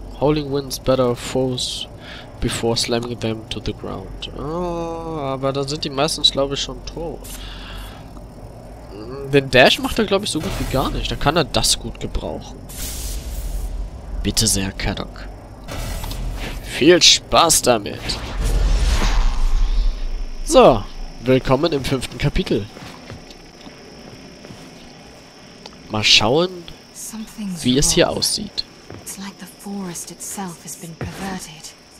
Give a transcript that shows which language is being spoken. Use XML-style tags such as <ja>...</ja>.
<en>Holding Winds better foes before slamming them to the ground.</en> <de>Oh, aber da sind die meistens, glaube ich, schon tot. Den Dash macht er, glaube ich, so gut wie gar nicht. Da kann er das gut gebrauchen. Bitte sehr, Kedok. Viel Spaß damit. So, willkommen im 5. Kapitel. Mal schauen, wie es hier aussieht.</de> <en>It's like the forest itself has been perverted.</en>